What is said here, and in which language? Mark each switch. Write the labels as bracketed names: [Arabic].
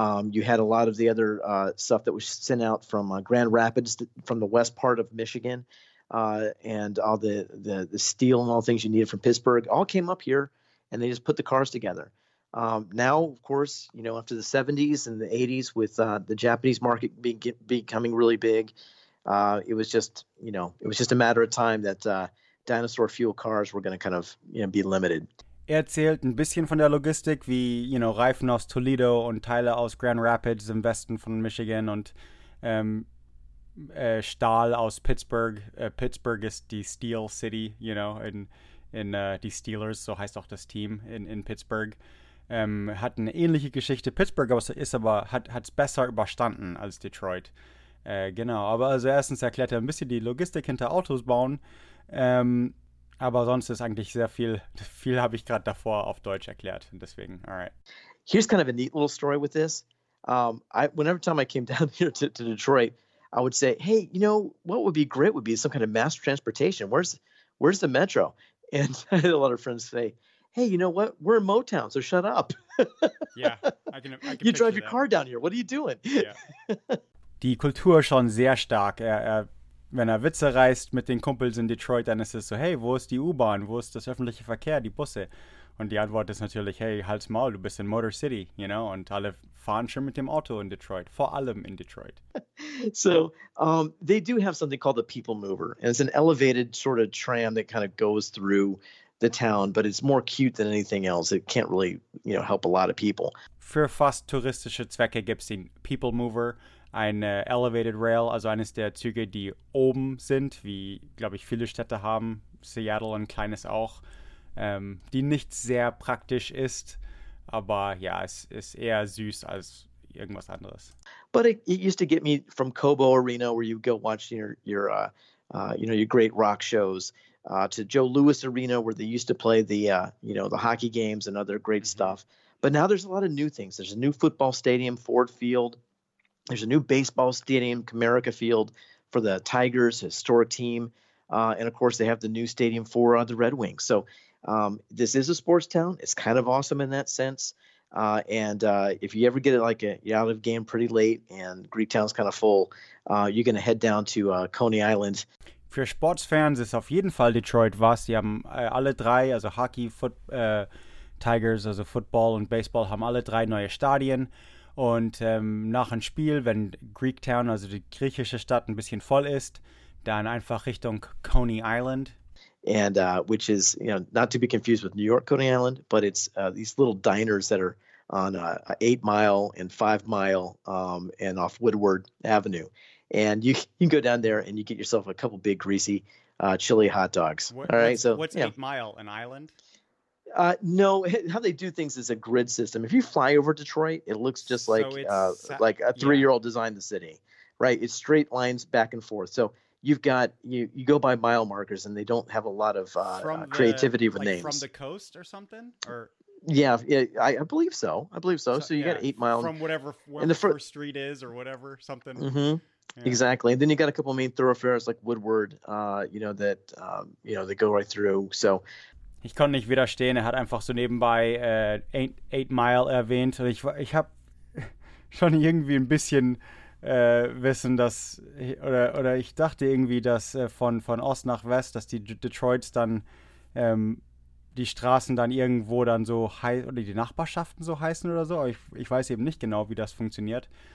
[English] You had a lot of the other stuff that was sent out from Grand Rapids, from the west part of Michigan, and all the steel and all the things you needed from Pittsburgh all came up here, and they just put the cars together. Now, of course, after the 70s and the 80s, with the Japanese market becoming really big, it was just a matter of time that dinosaur fuel cars were going to kind of be limited. [German] Er erzählt ein bisschen von der Logistik, wie Reifen aus Toledo und Teile aus Grand Rapids im Westen von Michigan und Stahl aus Pittsburgh. Pittsburgh ist die Steel City, die Steelers, so heißt auch das Team in Pittsburgh. hat eine ähnliche Geschichte. Pittsburgh ist aber hat es besser überstanden als Detroit. Genau, aber also erstens erklärt er ein bisschen die Logistik hinter Autos bauen. Aber sonst ist eigentlich sehr viel, viel habe ich gerade davor auf Deutsch erklärt. Deswegen, [English] all right. Here's kind of a neat little story with this. Whenever time I came down here to Detroit, I would say, hey, you know, what would be great would be some kind of mass transportation. Where's the metro? And I had a lot of friends say, hey, you know what? We're in Motown, so shut up. Yeah, I can you drive your that. Car down here. What are you doing? [German] Yeah. Die Kultur schon sehr stark. Wenn er Witze reißt mit den Kumpels in Detroit, dann ist es so, hey, wo ist die U-Bahn? Wo ist das öffentliche Verkehr, die Busse? Und die Antwort ist natürlich, hey, halt's Maul, du bist in Motor City, [English] you know? [German] Und alle fahren schon mit dem Auto in Detroit, vor allem in Detroit. [English] So, they do have something called the People Mover. And it's an elevated sort of tram that kind of goes through the town, but it's more cute than anything else. It can't really, you know, help a lot of people. [German] Für fast touristische Zwecke gibt's den People Mover. Ein Elevated Rail, also eines der Züge, die oben sind, wie, glaube ich, viele Städte haben, Seattle und kleines auch, die nicht sehr praktisch ist, aber ja, es ist eher süß als irgendwas anderes. [English] But it used to get me from Cobo Arena, where you go watch your great rock shows, to Joe Louis Arena, where they used to play the hockey games and other great stuff. But now there's a lot of new things. There's a new football stadium, Ford Field. There's a new baseball stadium, Comerica Field, for the Tigers, historic team. And, of course, they have the new stadium for the Red Wings. So this is a sports town. It's kind of awesome in that sense. If you ever get it you're out of game pretty late and Greektown's kind of full, you're going to head down to Coney Island. [German] Für Sportsfans ist auf jeden Fall Detroit was. Sie haben alle drei, also Hockey, Tigers, also Football und Baseball, haben alle drei neue Stadien. Und nach einem Spiel, wenn Greektown, also die griechische Stadt, ein bisschen voll ist, dann einfach Richtung Coney Island. [English] And which is, you know, not to be confused with New York Coney Island, but it's these little diners that are on 8 Mile and 5 Mile and off Woodward Avenue. And you can go down there and you get yourself a couple big greasy chili hot dogs. What's 8 Mile, an island? No, how they do things is a grid system. If you fly over Detroit, it looks just like a 3-year-old designed the city, right? It's straight lines back and forth. So you've got you go by mile markers, and they don't have a lot of creativity with names. From the coast or something? Or I believe so. I believe so. So you got 8 Mile from whatever and the first street is or whatever something. Mm-hmm. Yeah. Exactly. And then you got a couple of main thoroughfares like Woodward, that go right through. So. [German] Ich konnte nicht widerstehen, er hat einfach so nebenbei 8 Mile erwähnt und ich habe schon irgendwie ein bisschen Wissen, dass oder ich dachte irgendwie, dass von Ost nach West, dass die Detroits dann die Straßen dann irgendwo dann so heißen oder die Nachbarschaften so heißen oder so, aber ich weiß eben nicht genau, wie das funktioniert.